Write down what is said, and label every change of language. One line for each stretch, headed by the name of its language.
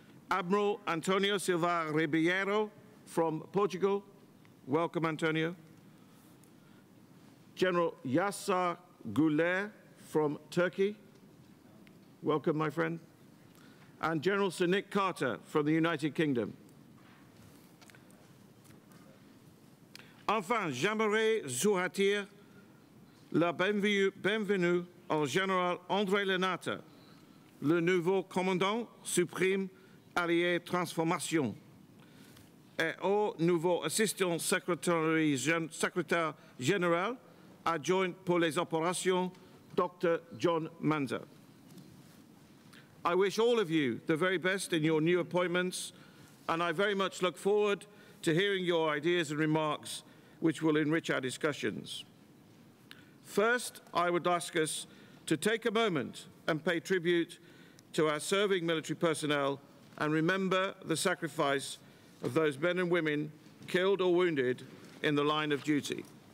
English: Admiral Antonio Silva Ribeiro from Portugal, welcome Antonio. General Yasar Güler from Turkey, welcome my friend. And General Sir Nick Carter from the United Kingdom.
French: Enfin, j'aimerais souhaiter la bienvenue au Général André Lenata, le nouveau commandant suprême Allié Transformation, et au nouveau Assistant Secrétaire Général Adjoint pour les Opérations, Dr. John Manzer.
English: I wish all of you the very best in your new appointments, and I very much look forward to hearing your ideas and remarks, which will enrich our discussions. First, I would ask us to take a moment and pay tribute to our serving military personnel and remember the sacrifice of those men and women killed or wounded in the line of duty.